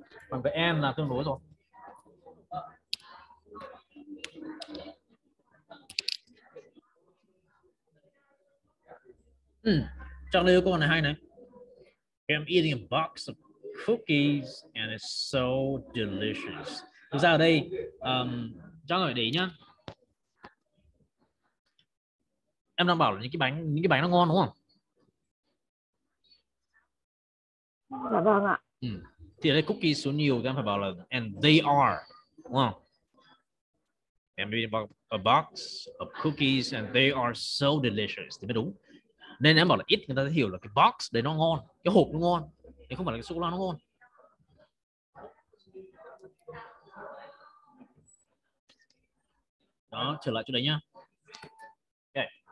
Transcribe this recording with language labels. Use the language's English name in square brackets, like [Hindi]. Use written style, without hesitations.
[Vietnamese] Phần cái em là tương đối rồi. Chắc đây có câu này hay này. [English] I'm eating a box of cookies and it's so delicious. [Vietnamese] Thực ra ở đây cho người để ý nhá. Em đang bảo là những cái bánh nó ngon đúng không? Dạ vâng ạ. Thì ở đây cookies số nhiều thì em phải bảo là [English] and they are [Vietnamese] đúng không? [English] I'm eating a box of cookies and they are so delicious. [Vietnamese] Thì mới đúng. nên em bảo là ít người ta sẽ hiểu là cái box đấy nó ngon, cái hộp nó ngon, nhưng không phải là cái sô cô la nó ngon. Đó, trở lại chỗ đấy nhá. Okay.